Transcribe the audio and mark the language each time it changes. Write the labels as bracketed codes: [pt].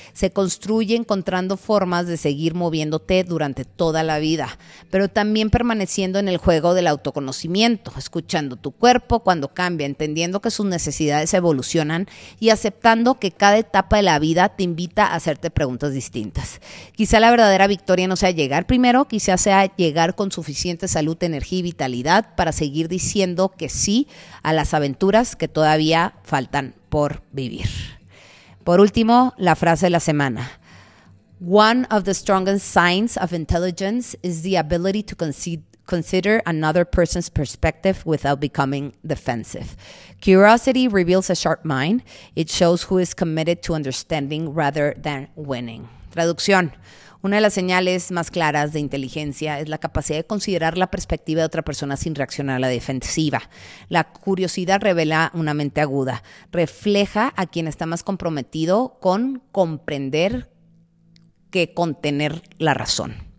[es] Se construye encontrando formas de seguir moviéndote durante toda la vida, pero también permaneciendo en el juego del autoconocimiento, escuchando tu cuerpo cuando cambia, entendiendo que sus necesidades evolucionan y aceptando que cada etapa de la vida te invita a hacerte preguntas distintas. Quizá la verdadera victoria no sea llegar primero, quizá sea llegar con suficiente salud, energía y vitalidad para seguir diciendo que sí a las aventuras que todavía faltan por vivir. Por último, la frase de la semana. [en] One of the strongest signs of intelligence is the ability to consider another person's perspective without becoming defensive. Curiosity reveals a sharp mind. It shows who is committed to understanding rather than winning. [es] Traducción. Una de las señales más claras de inteligencia es la capacidad de considerar la perspectiva de otra persona sin reaccionar a la defensiva. La curiosidad revela una mente aguda, refleja a quien está más comprometido con comprender que con tener la razón.